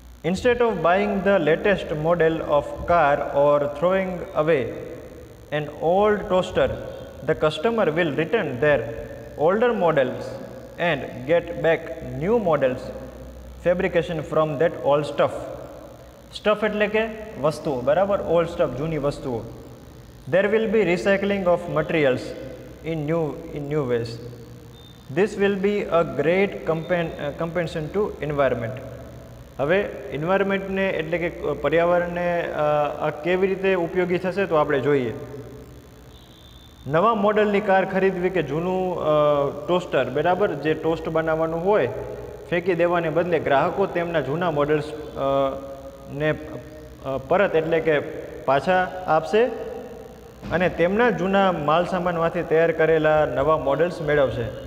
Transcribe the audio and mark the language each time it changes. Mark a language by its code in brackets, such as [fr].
[en] Instead of buying the latest model of car or throwing away an old toaster, the customer will return their older models and get back new models fabrication from that old stuff. [gu] Stuff એટલે કે વસ્તુઓ, બરાબર, old stuff જૂની વસ્તુઓ. [en] There will be recycling of materials in new ways. This will be a great compensation to environment. [gu] હવે એન્વાયરમેન્ટને એટલે કે પર્યાવરણને આ કેવી રીતે ઉપયોગી થશે તો આપણે જોઈએ. નવા મોડલની કાર ખરીદવી કે જૂનું ટોસ્ટર, બરાબર, જે ટોસ્ટ બનાવવાનું હોય ફેંકી દેવાને બદલે ગ્રાહકો તેમના જૂના મોડલ્સ ને પરત એટલે કે પાછા આપશે અને તેમના જૂના માલસામાનમાંથી તૈયાર કરેલા નવા મોડેલ્સ મેળવશે.